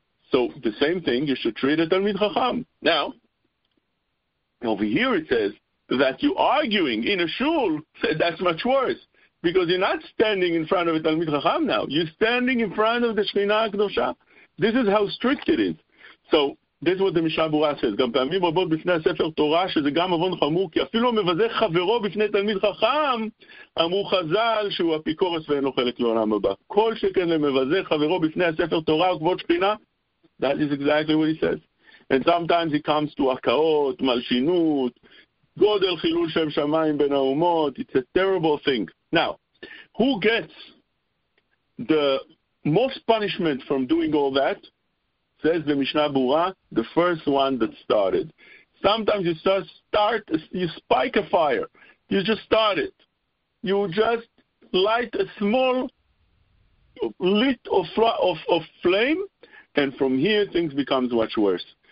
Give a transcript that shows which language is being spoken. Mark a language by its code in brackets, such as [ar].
[en] So the same thing, you should treat a Talmid Chacham. Now, over here it says that you're arguing in a shul, that's much worse, because you're not standing in front of a Talmid Chacham now. You're standing in front of the Shekhinah HaKadosha. This is how strict it is. So this is what the Mishnah Berurah says. [he] גם פעמים רבות בפני הספר תורה, שזה גם אבון חמור, כי אפילו המבזה חברו בפני תלמיד חכם, אמרו חזל שהוא אפיקורס ואין לו חלק לעולם הבא. כל שכן למבזה חברו בפני הספר תורה וכבוד שכינה, [en] that is exactly what he says. And sometimes he comes to [he] הקאות, מלשינות, גודל חילול שם שמיים בין האומות. [en] It's a terrible thing. Now, who gets the most punishment from doing all that? Says the Mishnah Berurah, the first one that started. Sometimes you spike a fire. You just start it. You just light a small lit of flame, and from here things become much worse.